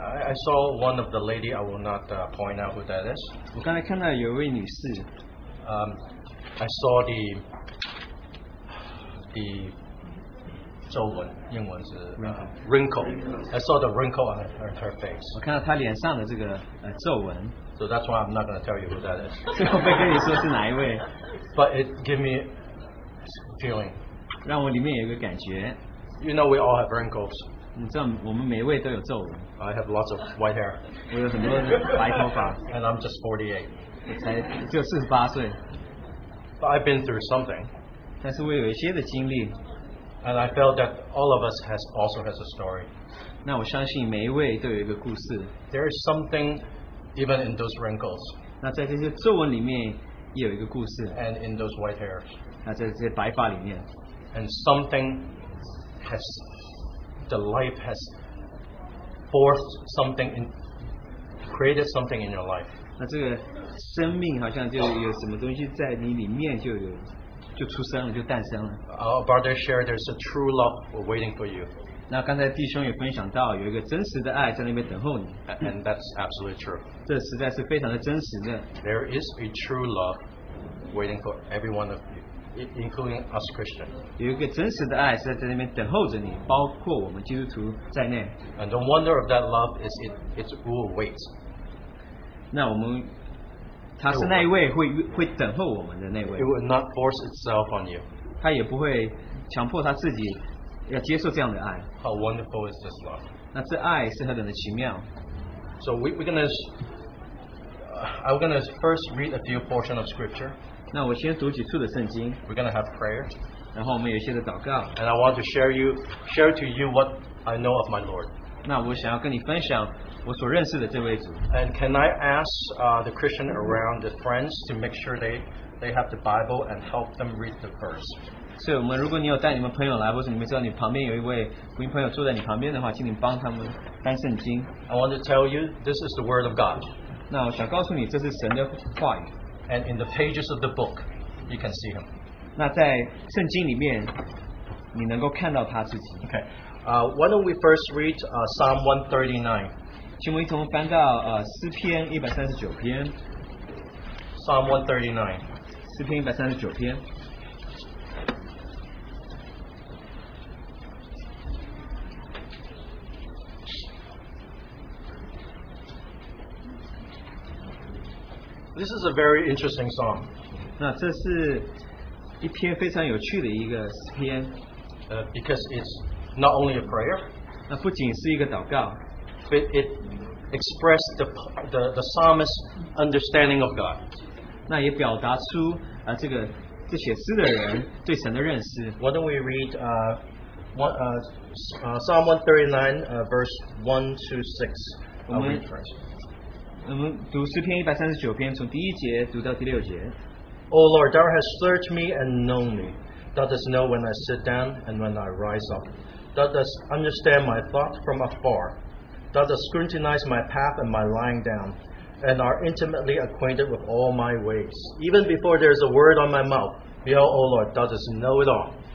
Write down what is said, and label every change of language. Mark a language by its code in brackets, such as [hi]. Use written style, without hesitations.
[en] I saw one of the lady, I will not point out who that is. I saw the [zh] 中文英文是, [en] wrinkle. I saw the wrinkle on her face. [zh] 我看到她脸上的这个, [en] so that's why I'm not going to tell you who that is. [zh] 所以我会跟你说是哪一位? [en] But it gave me feeling. [zh] 让我里面有一个感觉, [en] you know we all have wrinkles. [zh] 你知道我们每一位都有皱纹. [en] I have lots of white hair. [zh] 我有很多白头发. [en] And I'm just 48. [zh] 我才就48岁. [en] But I've been through something. [zh] 但是我有一些的经历. [en] And I felt that all of us also has a story. [zh] 那我相信每一位都有一个故事. [en] There is something even in those wrinkles. [zh] 那在这些皱纹里面也有一个故事. [en] And in those white hairs. [zh] 那在这些白发里面. [en] And something has, the life has forced something in, created something in your life. [zh] 那这个生命好像就有什么东西在你里面就出生了，就诞生了。 [en] Our brother shared there's a true love waiting for you. [zh] 那刚才弟兄也分享到有一个真实的爱在那边等候你。 [en] And that's absolutely true. [zh] 这实在是非常的真实的。 [en] There is a true love waiting for every one of you, including us Christian. [zh] 有一个真实的爱是在那边等候着你, 包括我们基督徒在内。 [en] And the wonder of that love is it will wait. [zh] 那我们, 它是那一位会等候我们的那位。 [en] It will not force itself on you. [zh] 它也不会强迫它自己要接受这样的爱。 [en] How wonderful is this love? [zh] 那这爱是何等的奇妙。 [en] So we're going to first read a few portions of scripture. [zh] 那我先读几处的圣经, [en] we're going to have prayer. [zh] 然后我们有一些的祷告, [en] and I want to share to you what I know of my Lord. [zh] 那我想要跟你分享我所认识的这位主。 [en] And can I ask the Christian around, the friends, to make sure they have the Bible and help them read the verse. [zh] 所以我们如果你有带你们朋友来, 或者你们知道你旁边有一位福音朋友坐在你旁边的话, 请你帮他们翻圣经。 [en] I want to tell you, this is the word of God. [zh] 那我想告诉你这是神的话语。 [en] And in the pages of the book, you can see him. [zh] 那在圣经里面, 你能够看到他自己。 [en] Okay. Why don't we first read Psalm 139? [zh] 请我一同翻到, 诗篇139篇。 [en] Psalm 139. [zh] 诗篇139篇。 [en] This is a very interesting psalm. [zh] 那这是一篇非常有趣的一个诗篇。 [en] Because it's not only a prayer. [zh] 那不仅是一个祷告, [en] but it expressed the psalmist's understanding of God. [zh] 那也表达出, 这些诗的人对神的认识。 [en] Why don't we read Psalm 139, verse 1 to 6. I'll read first. [zh] 我们读诗篇139篇,从第一节读到第六节。 [en] O Lord, thou hast searched me and known me. Thou dost know when I sit down and when I rise up. Thou dost understand my thought from afar. Thou dost scrutinize my path and my lying down, and are intimately acquainted with all my ways. Even before there is a word on my mouth, behold, O Lord, thou dost know it all.